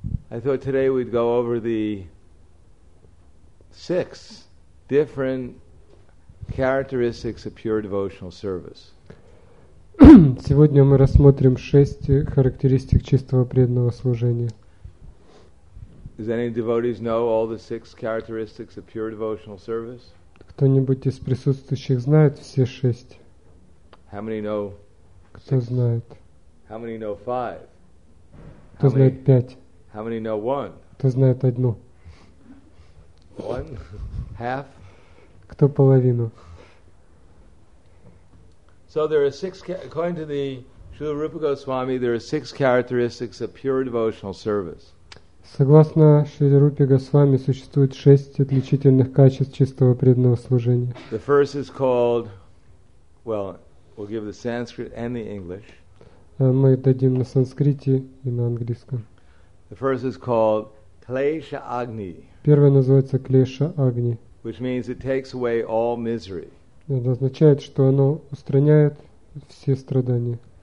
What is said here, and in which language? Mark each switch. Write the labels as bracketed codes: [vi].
[en] I thought today we'd go over the six different characteristics of pure devotional service. [ru] Сегодня мы рассмотрим шесть характеристик чистого преданного служения. [en] Does any devotees know all the six characteristics of pure devotional service? [ru] Кто-нибудь из присутствующих знает все шесть? [en] How many know? [ru] Кто знает? [en] How many know five? [ru] Кто знает пять? [en] How many know one? [ru] Кто знает одну? [en] One? Half? [ru] Кто половину? [en] So there are six, according to the Śrīla Rūpa Gosvāmī, there are six characteristics of pure devotional service. [ru] Согласно Шриле Рупе Госвами, существует шесть отличительных качеств чистого преданного служения. [en] The first is called, well, we'll give the Sanskrit and the English. [ru] Мы дадим на санскрите и на английском. [en] The first is called Klesha Agni. [ru] Первое называется Клеша Агни. [en] Which means it takes away all misery. [ru] Это означает, что оно устраняет все страдания.